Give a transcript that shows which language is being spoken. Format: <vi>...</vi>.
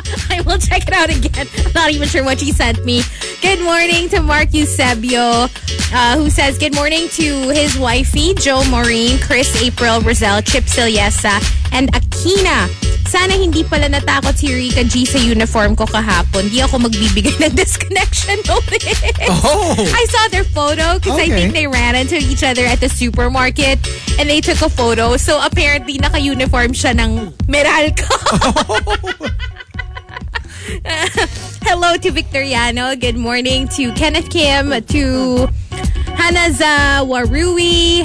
<en>I will check it out again. Not even sure what she sent me. Good morning to Mark Eusebio, who says good morning to his wifey, Joe Maureen, Chris April, Rizal, Chip Siliesa, and Akina.</en> <tl>Sana hindi pala natakot si Rica G sa uniform ko kahapon. Di ako magbibigay ng disconnection notice. Oh!</tl> <en>I saw their photo because okay. I think they ran into each other at the supermarket and they took a photo. So apparently,</en> <tl>naka-uniform siya ng Meralco. Oh!</tl> <en>Hello to Victoriano. Good morning to Kenneth Kim, to Hanaza Warui.</en>